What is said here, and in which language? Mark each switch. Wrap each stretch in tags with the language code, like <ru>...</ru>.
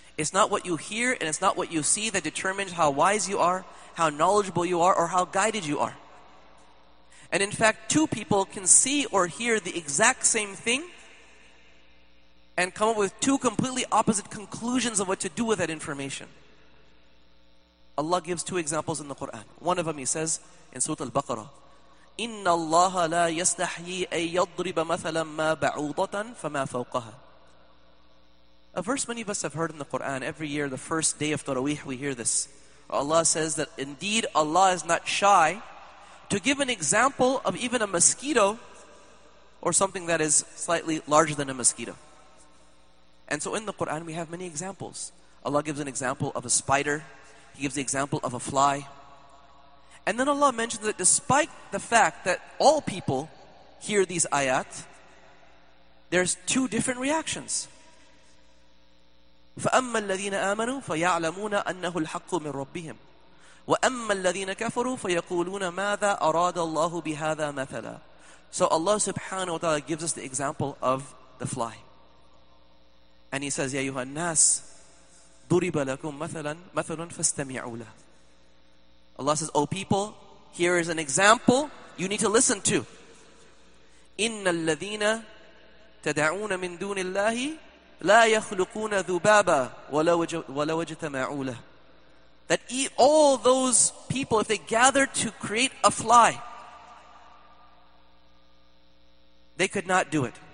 <en>It's not what you hear and it's not what you see that determines how wise you are, how knowledgeable you are, or how guided you are. And in fact, two people can see or hear the exact same thing and come up with two completely opposite conclusions of what to do with that information. Allah gives two examples in the Quran. One of them, he says in Surah Al-Baqarah,</en> <ar>إِنَّ اللَّهَ لَا يَسْتَحْيِي أَن يَضْرِبَ مَثَلًا مَا بَعُوضَةً فَمَا فَوْقَهَا.</ar> <en>A verse many of us have heard in the Quran. Every year, the first day of Taraweeh, we hear this. Allah says that indeed Allah is not shy to give an example of even a mosquito or something that is slightly larger than a mosquito. And so in the Quran, we have many examples. Allah gives an example of a spider. He gives the example of a fly. And then Allah mentions that despite the fact that all people hear these ayat, there's two different reactions.</en> <ar>فَأَمَّا الَّذِينَ آمَنُوا فَيَعْلَمُونَ أَنَّهُ الْحَقُّ مِنْ رَبِّهِمْ وَأَمَّا الَّذِينَ كَفَرُوا فَيَقُولُونَ مَاذَا أَرَادَ اللَّهُ بِهَذَا مَثَلًا.</ar> <en>So Allah subhanahu wa ta'ala gives us the example of the fly. And he says,</en> <ar>يَا يُهَا النَّاسِ ضُرِبَ لَكُمْ مَثَلًا فَاسْتَمِعُوا لَهُ.</ar> <en>Allah says, oh people, here is an example you need to listen to.</en> <ar>إِنَّ الَّذِينَ تَدَعُونَ مِن دُونِ اللَّهِ لَا يَخْلُقُونَ ذُبَابًا وَلَوْ اجْتَمَعُوا لَهُ.</ar> <en>That all those people, if they gathered to create a fly, they could not do it.</en>